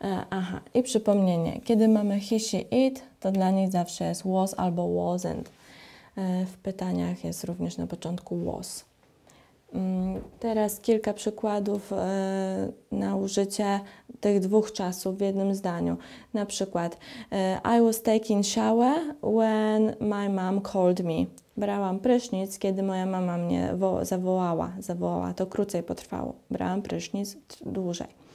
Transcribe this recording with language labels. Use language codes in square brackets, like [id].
[pl] Aha, i przypomnienie. Kiedy mamy he, she, it, to dla nich zawsze jest was albo wasn't. W pytaniach jest również na początku was. Teraz kilka przykładów na użycie tych dwóch czasów w jednym zdaniu. Na przykład, [en] I was taking shower when my mom called me. [pl] Brałam prysznic, kiedy moja mama mnie zawołała. Zawołała, to krócej potrwało. Brałam prysznic dłużej.